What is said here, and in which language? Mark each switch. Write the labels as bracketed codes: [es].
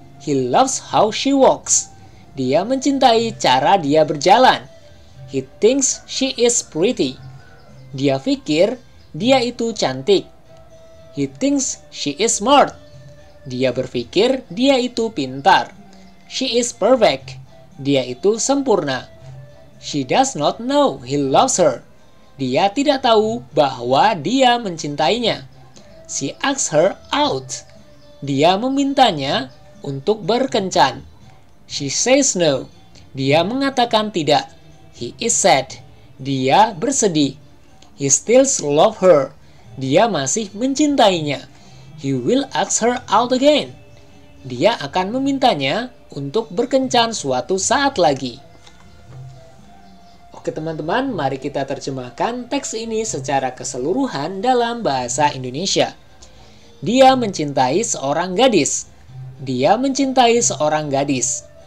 [en] He loves how she walks. [id] Dia mencintai cara dia berjalan. [en] He thinks she is pretty. [id] Dia pikir dia itu cantik. [en] He thinks she is smart. [id] Dia berpikir dia itu pintar. [en] She is perfect. [id] Dia itu sempurna. [en] She does not know he loves her. [id] Dia tidak tahu bahwa dia mencintainya. [en] She asks her out. [id] Dia memintanya untuk berkencan. [en] She says no. [id] Dia mengatakan tidak. [en] He is sad. [id] Dia bersedih. [en] He still loves her. [id] Dia masih mencintainya. [en] He will ask her out again. [id] Dia akan memintanya untuk berkencan suatu saat lagi. Oke teman-teman, mari kita terjemahkan teks ini secara keseluruhan dalam bahasa Indonesia. Dia mencintai seorang gadis. Dia mencintai seorang gadis.